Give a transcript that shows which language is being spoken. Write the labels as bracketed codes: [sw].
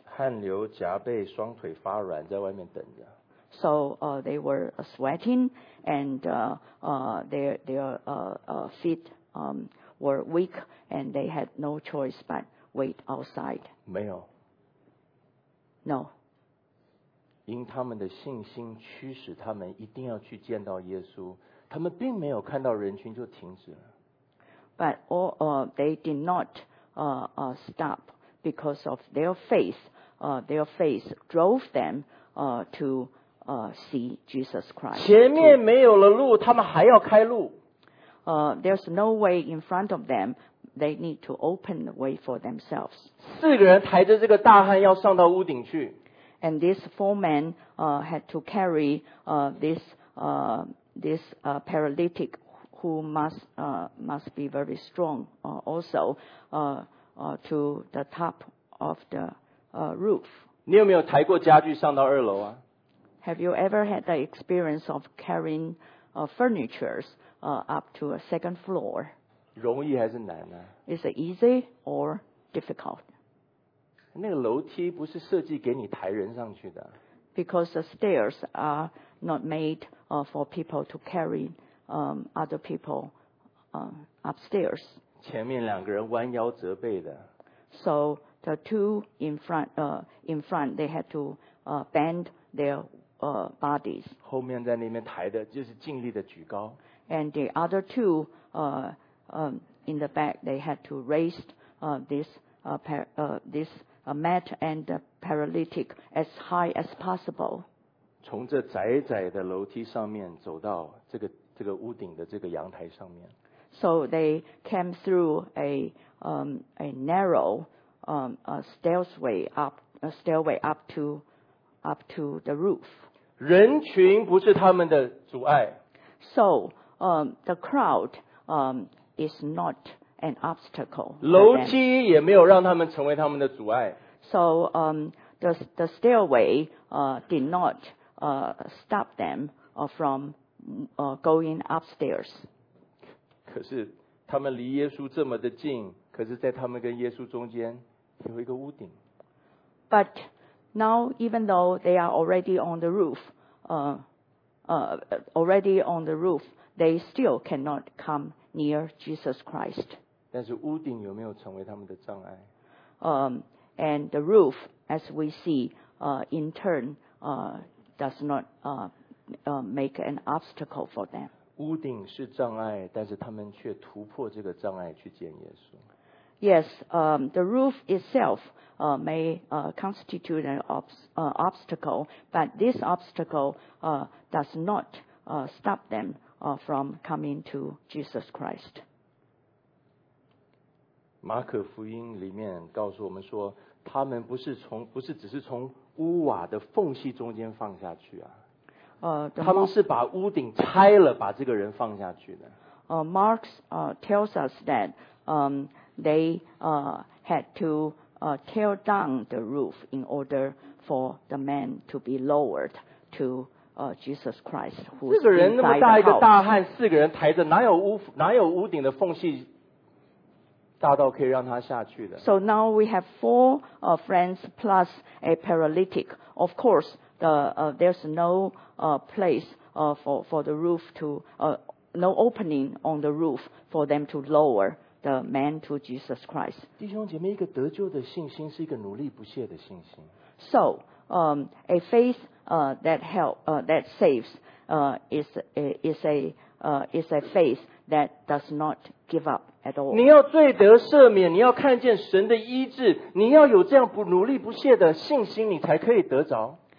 [zh] 汗流浃背，双腿发软，在外面等着。 [en] So, they were sweating, and, their feet, were weak, and they had no choice but wait outside. [zh] 没有。 [en] No. [zh] 因他们的信心驱使他们一定要去见到耶稣，他们并没有看到人群就停止了。 [en] But all, they did not, stop because of their faith. Their faith drove them, to, see Jesus Christ. [zh] 前面没有了路，他们还要开路。 [en] There's no way in front of them. They need to open the way for themselves. [zh] 四个人抬着这个大汉要上到屋顶去。 [en] And these four men, had to carry, this paralytic who must be very strong, also, to the top of the, roof. [zh] 你有没有抬过家具上到二楼啊？ [en] Have you ever had the experience of carrying, furnitures, up to a second floor? [zh] 容易还是难呢？ [en] Is it easy or difficult? [zh] 那个楼梯不是设计给你抬人上去的。 [en] Because the stairs are not made, for people to carry, other people, upstairs. [zh] 前面两个人弯腰折背的。 [en] So the two in front, they had to, bend their, bodies. [zh] 后面在那边抬的就是尽力的举高。 [en] And the other two, in the back, they had to raise, this mat and the paralytic as high as possible. [zh] 从这窄窄的楼梯上面走到这个屋顶的这个阳台上面。 [en] So they came through a narrow, stairway up to the roof. [zh] 人群不是他们的阻碍。 [en] So, the crowd, is not an obstacle. [zh] 楼梯也没有让他们成为他们的阻碍。 [en] So, the stairway, did not, stop them, from, going upstairs. [zh] 可是他们离耶稣这么的近，可是在他们跟耶稣中间有一个屋顶。 [en] But now, even though they are already on the roof, they still cannot come near Jesus Christ. [zh] 但是屋顶有没有成为他们的障碍？ [en] And the roof, as we see, in turn, does not, make an obstacle for them. [zh] 屋顶是障碍，但是他们却突破这个障碍去见耶稣。 [en] Yes, the roof itself, may, constitute an obstacle, but this obstacle, does not, stop them. From coming to Jesus Christ. [zh] 马可福音里面告诉我们说，他们不是只是从屋瓦的缝隙中间放下去啊。他们是把屋顶拆了，把这个人放下去的。 [en] Mark, tells us that, they, had to, tear down the roof in order for the man to be lowered to. Jesus Christ, who's inside the house. [zh] 四个人那么大一个大汉，四个人抬着，哪有屋顶的缝隙大到可以让他下去的？ [en] So now we have four, friends plus a paralytic. Of course, there's no, place, for the roof to, no opening on the roof for them to lower the man to Jesus Christ. [zh] 弟兄姐妹，一个得救的信心是一个努力不懈的信心。 [en] So, a faith that help that saves is a faith that does not give up at all. [zh] 你要罪得赦免，你要看见神的医治，你要有这样不努力不懈的信心，你才可以得着。